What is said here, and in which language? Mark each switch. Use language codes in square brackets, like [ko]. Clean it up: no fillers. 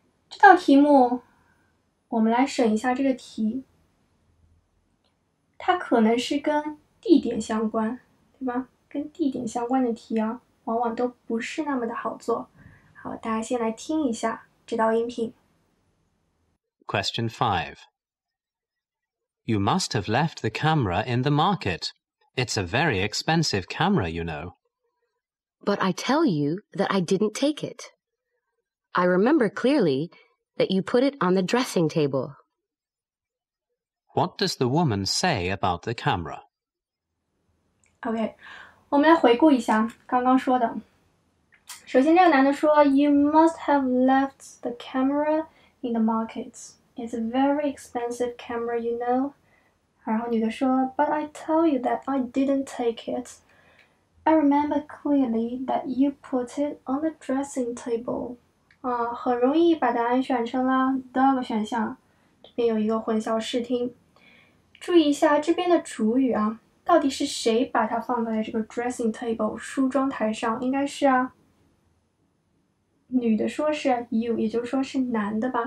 [zh] 这道题目，我们来审一下这个题，它可能是跟地点相关，对吧？跟地点相关的题啊，往往都不是那么的好做。好，大家先来听一下这道音频。 [en] Question 5. You must have left the camera in the market. It's a very expensive camera, you know. But I tell you that I didn't take it. I remember clearly that you put it on the dressing table. What does the woman say about the camera? [zh] OK，我们来回顾一下刚刚说的。 [en] 首先，这个男的说， You must have left the camera in the market. It's a very expensive camera, you know. 然后女的说， But I tell you that I didn't take it. I remember clearly that you put it on the dressing table. [zh] 很容易把答案选成了 dog 选项，这边有一个混淆视听。注意一下这边的主语啊，到底是谁把它放在这个 dressing table 梳妆台上？应该是啊，女的说是 you，也就是说是男的吧。